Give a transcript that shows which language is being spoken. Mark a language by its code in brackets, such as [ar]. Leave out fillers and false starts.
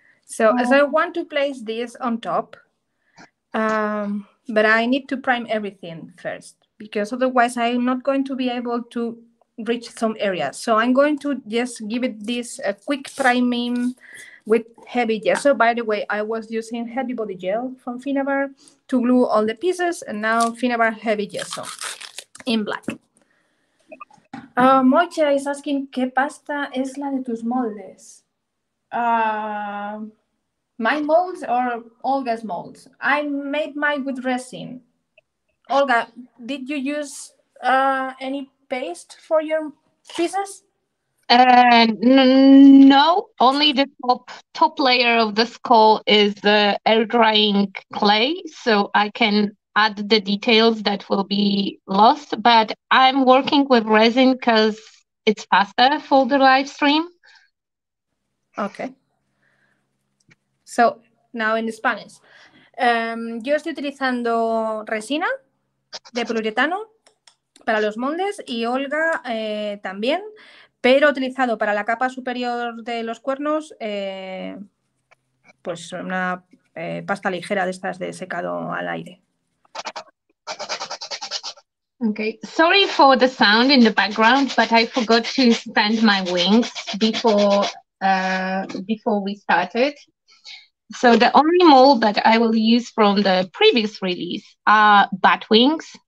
[en] So as I want to place this on top, but I need to prime everything first, because otherwise I'm not going to be able to reach some areas. So I'm going to just give it this a quick priming with heavy gesso. By the way, I was using heavy body gel from Finnabair to glue all the pieces, and now Finnabair heavy gesso in black. [es] Mocha [en] is asking, [es] ¿qué pasta es la de tus moldes? [en] My molds or Olga's molds? I made mine with resin. Olga, did you use any paste for your pieces? No, only the top layer of the skull is air drying clay, so I can add the details that will be lost, but I'm working with resin because it's faster for the live stream. Okay. So now in Spanish. [es] Yo estoy utilizando resina de poliuretano para los moldes y Olga también, pero utilizado para la capa superior de los cuernos, pues una pasta ligera de estas de secado al aire. [en] Okay, sorry for the sound in the background, but I forgot to stand my wings before we started. So the only mold that I will use from the previous release are bat wings.